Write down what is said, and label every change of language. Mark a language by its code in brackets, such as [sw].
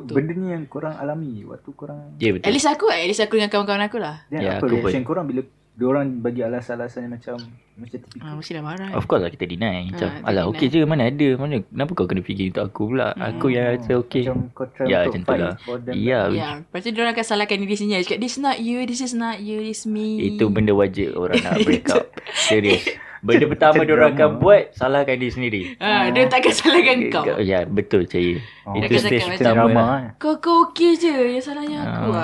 [ms] benda ni yang korang alami waktu korang. [en] Yeah, at least [ms] aku. [en] At least [ms] aku dengan kawan-kawan aku lah. Apa aku reaction pun. Korang bila diorang bagi alasan-alasan yang macam mesti dah marah. [en] Of course [ms] lah kita deny. Macam alah okey je, mana ada. Mana kenapa kau kena fikir untuk aku pula? Aku yang rasa okey. Macam kau try untuk [en] fight for them. [ms] Ya. Lepas tu diorang akan salahkan diri sendiri. Cakap [en] this not you, this is not you, this me. [ms] Itu benda wajib orang nak break up. Serius. Benda pertama diorang akan buat, salahkan diri sendiri. Dia takkan salahkan kau. Ya, betul cahaya. Itu stage pertama lah. Kau okey je yang salahnya aku.